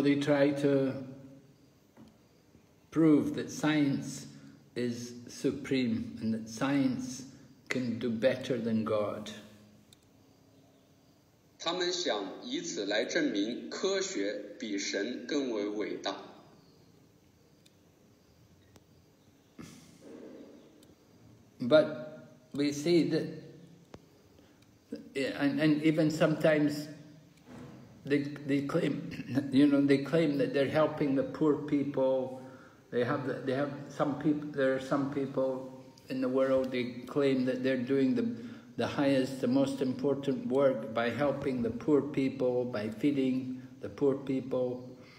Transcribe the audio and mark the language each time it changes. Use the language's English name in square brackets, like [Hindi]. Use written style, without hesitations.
[English] they try to prove that science is supreme and that science can do better than God. [Chinese] 他们想以此来证明科学比神更为伟大。 [English] But we see that, and even sometimes they claim, you know, they claim that they're helping the poor people. They have some people, there are some people in the world, they claim that they're doing the highest, the most important work by helping the poor people, by feeding the poor people.